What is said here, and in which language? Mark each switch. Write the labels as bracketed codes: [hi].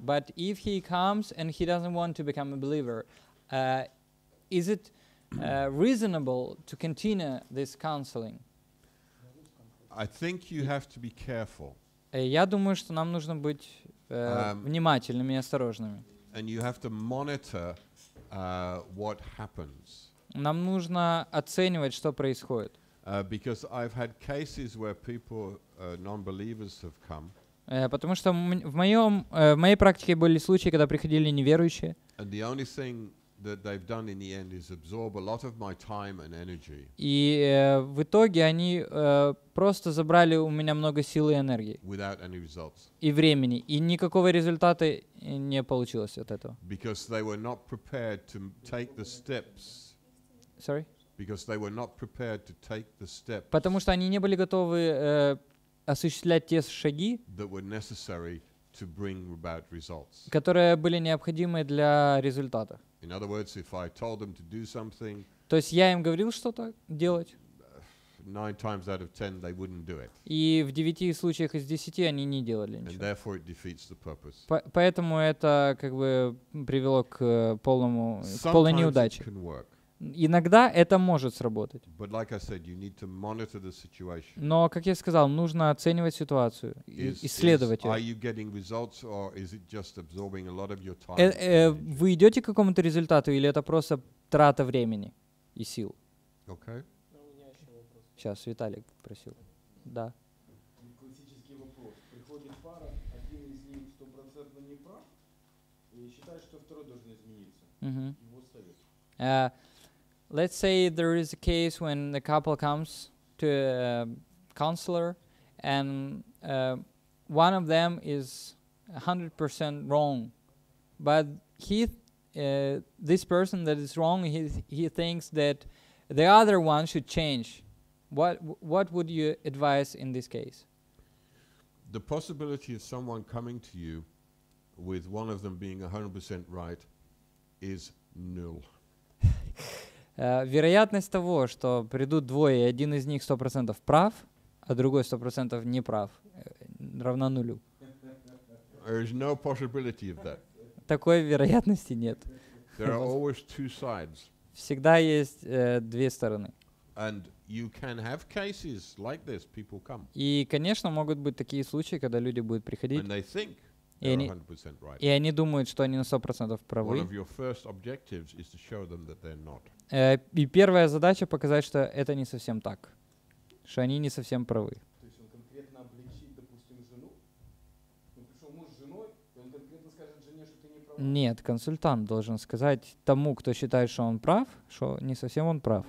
[en] But if he comes and he doesn't want to become a believer, is it reasonable to continue this counseling? I think you have to be careful. [ru] Я думаю, что нам нужно быть внимательными и осторожными. [en] And you have to monitor what happens. [ru] Нам нужно оценивать, что происходит. [en] Because I've had cases where people, non-believers have come. [ru] Потому что в моей практике были случаи, когда приходили неверующие. [en] And the only thing that they've done in the end is absorb a lot of my time and energy. [ru] И в итоге они просто забрали у меня много сил и энергии. [en] Without any results. [ru] И времени. И никакого результата не получилось от этого. [en] Because they were not prepared to take the steps. Sorry? Because they were not prepared to take the steps. [ru] Потому что они не были готовы осуществлять те шаги, [en] that were necessary to bring about results. [ru] Которые были необходимы для результата. [en] In other words, if I told them to do something, [ru] то есть я им говорил что-то делать, [en] 9 times out of 10 they wouldn't do it. [ru] И в 9 случаях из 10 они не делали ничего. [en] And therefore it defeats the purpose. [ru] Поэтому это как бы привело к полному полной неудаче. [en] Sometimes it can work. [ru] Иногда это может сработать. [en] But like I said, you need to monitor the situation. [ru] Но, как я сказал, нужно оценивать ситуацию, исследовать ее. [en] Are you getting results, or is it just absorbing a lot of your time? [ru] Вы идете к какому-то результату, или это просто трата времени и сил? [en] Okay. [ru] Сейчас Виталик просил. Да. Классический вопрос. Приходит пара, один из них 100% не прав, и считает, что второй должен измениться. Его совет. [en] Let's say there is a case when the couple comes to a counselor and one of them is 100% wrong, but this person that is wrong, he thinks that the other one should change. What would you advise in this case? The possibility of someone coming to you with one of them being 100% right is null. [ru] Вероятность того, что придут двое, и один из них 100% прав, а другой 100% не прав, равна нулю. [en] There is no possibility of that. [ru] Такой вероятности нет. [en] There are always two sides. [ru] Всегда есть две стороны. [en] And you can have cases like this. People come. [ru] И, конечно, могут быть такие случаи, когда люди будут приходить. [en] And they think they're 100% right. [ru] И они думают, что они на 100% правы. [en] One of your first objectives is to show them that they're not. [ru] И первая задача — показать, что это не совсем так, что они не совсем правы. То есть он пришел муж с женой, и он конкретно скажет жене, что ты не прав? Нет, консультант должен сказать тому, кто считает, что он прав, что не совсем он прав.